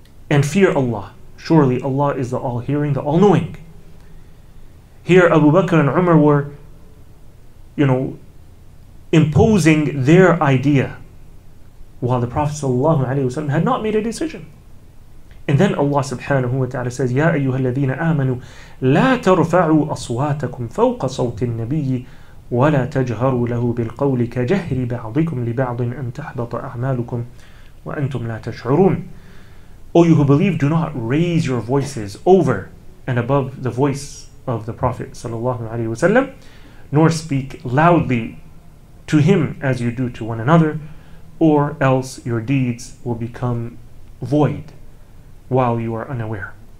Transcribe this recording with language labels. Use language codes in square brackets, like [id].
[en] And fear Allah. Surely Allah is the all-hearing, the all-knowing. Here Abu Bakr and Umar were, you know, imposing their idea, while the Prophet sallallahu alaihi wasallam had not made a decision. And then Allah subhanahu wa ta'ala says, [ar] يَا أَيُّهَا الَّذِينَ آمَنُوا لَا تَرْفَعُوا أَصْوَاتَكُمْ فَوْقَ صَوْتِ النَّبِيِّ وَلَا تَجْهَرُوا لَهُ بِالْقَوْلِ كَجَهْرِ بَعْضِكُمْ لِبَعْضٍ أَنْ تَحْبَطَ أَعْمَالُكُمْ وَأَنْتُمْ لَا تَشْعُرُونَ. [en] O you who believe, do not raise your voices over and above the voice of the Prophet sallallahu alaihi wasallam, nor speak loudly to him as you do to one another, or else your deeds will become void while you are unaware.